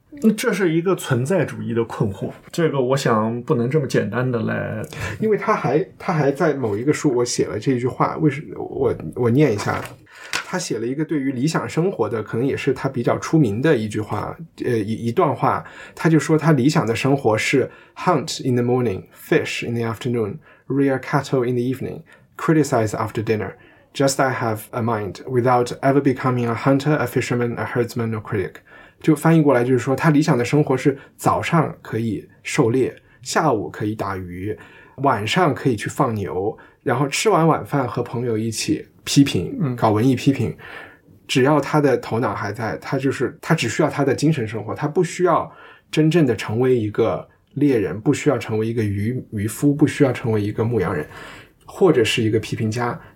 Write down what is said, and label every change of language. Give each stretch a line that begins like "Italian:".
Chinese: 这是一个存在主义的困惑，这个我想不能这么简单的来。因为他还在某一个书我写了这句话，为什么我念一下。他写了一个对于理想生活的，可能也是他比较出名的一句话，一段话。他就说他理想的生活是
English: hunt in the morning, fish in the afternoon, rear cattle in the evening, criticize after dinner, just I have a mind, without ever becoming a hunter, a fisherman, a herdsman or critic。
Chinese: 就翻译过来就是说，他理想的生活是早上可以狩猎，下午可以打鱼，晚上可以去放牛，然后吃完晚饭和朋友一起批评，搞文艺批评，只要他的头脑还在，他就是他只需要他的精神生活，他不需要真正的成为一个猎人，不需要成为一个渔夫，不需要成为一个牧羊人，或者是一个批评家。